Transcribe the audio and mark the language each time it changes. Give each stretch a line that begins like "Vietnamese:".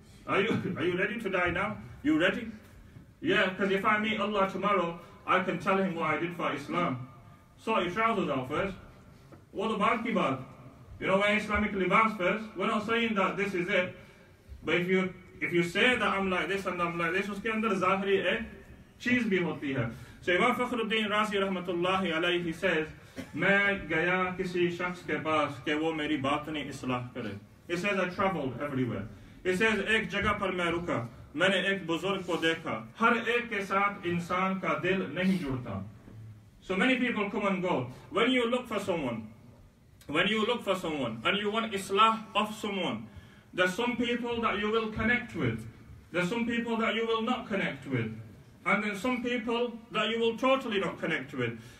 English: Are you ready to die now? You ready? Yeah, because if I meet Allah tomorrow, I can tell him what I did for Islam. Sort your trousers out first. What about kibad? You know, wear Islamic libas first. We're not saying that this is it. But if you say that I'm like this and I'm like this,
Urdu: اس کے اندر ظاہری ہے چیز بھی ہوتی ہے. So Imam Fakhruddin Razi رحمت اللہ علیہ says, میں گیا کسی شخص کے پاس کہ وہ میری باطنی اصلاح کرے.
English: He says, I traveled everywhere.
Urdu: He says, ایک جگہ پر میں رکا, میں نے ایک بزرگ کو دیکھا. ہر ایک کے ساتھ انسان کا دل نہیں جڑتا.
English: So many people come and go. When you look for someone and you want اصلاح of someone, there's some people that you will connect with, there's some people that you will not connect with, and then some people that you will totally not connect with.